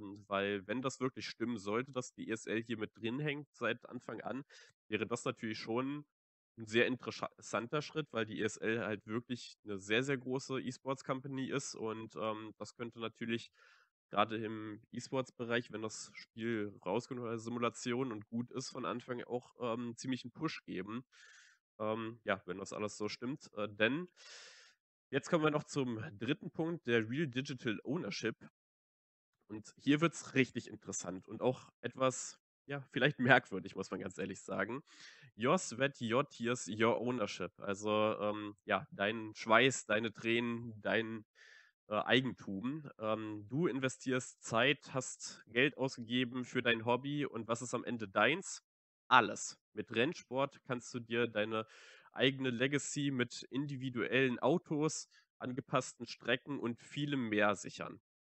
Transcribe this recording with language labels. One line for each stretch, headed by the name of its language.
German: Weil wenn das wirklich stimmen sollte, dass die ESL hier mit drin hängt seit Anfang an, wäre das natürlich schon ein sehr interessanter Schritt, weil die ESL halt wirklich eine sehr, sehr große E-Sports-Company ist und das könnte natürlich gerade im E-Sports-Bereich, wenn das Spiel rauskommt oder Simulation und gut ist, von Anfang auch ziemlich einen Push geben. Ja, wenn das alles so stimmt. Denn jetzt kommen wir noch zum dritten Punkt, der Real Digital Ownership. Und hier wird es richtig interessant und auch etwas, ja, vielleicht merkwürdig, muss man ganz ehrlich sagen.
English: Your sweat, your tears, your ownership.
German: Also, ja, dein Schweiß, deine Tränen, dein Eigentum. Du investierst Zeit, hast Geld ausgegeben für dein Hobby und was ist am Ende deins? Alles. Mit Rennsport kannst du dir deine eigene Legacy mit individuellen Autos, angepassten Strecken und vielem mehr sichern.